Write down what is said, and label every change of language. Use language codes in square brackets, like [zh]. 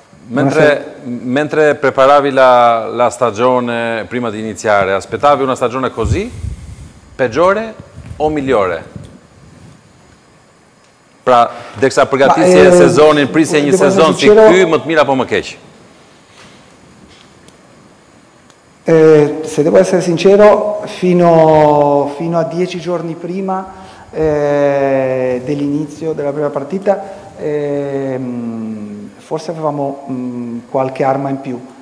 [it] Mentre preparavi la stagione prima di iniziare, aspettavi una stagione così? Peggiore o migliore? [sq] Pra, deksa përgatisje sezonin, prisje një sezon si ky, më të mirë apo më keq? [it] Se devo essere sincero, fino a 10 giorni prima dell'inizio della prima partita, forse avevamo qualche arma in più.